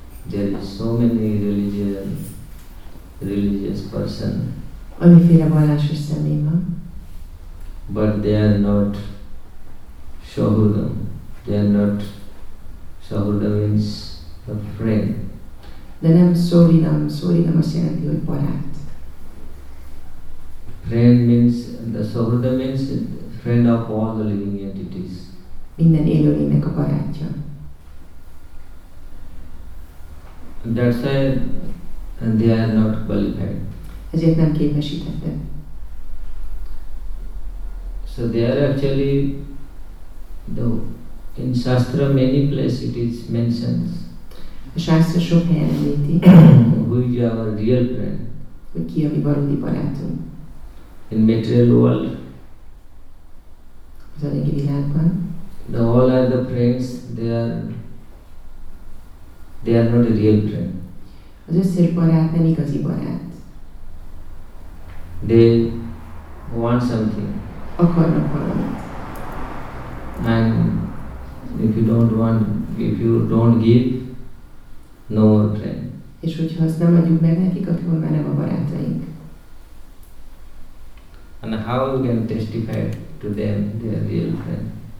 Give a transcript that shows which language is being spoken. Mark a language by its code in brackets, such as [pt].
[en] There is so many religious person. [hu] Amiféle vallásos személy van. [en] But they are not Sahurdam. They are not Sahurdam means a friend. [hu] De nem Sorinam. Sorinam azt jelenti, hogy barát. [en] Friend means, the Sahurda means friend of all the living entities. [hu] Minden élőlénynek a barátja. [en] That's why they are not qualified. [hu] Ezért nem képesítette. [en] So they are actually, though, in Shastra many places it is mentioned. [hu] A Shastra sok helyen említi. [en] Who is our real friend? [hu] Hogy ki a mi valódi barátunk. [en] In material world, [hu] az anyagi világban, [en] the all are the friends. They are not a real friend. [hu] Az összes barát nem igazi barát. [en] They want something. [hu] Akarnak valamit. [en] And if you don't want, if you don't give, no more friend. [hu] És hogyha azt nem adjuk meg nekik, akkor már nem a barátaink. [en] And how you can testify to them they are real friend?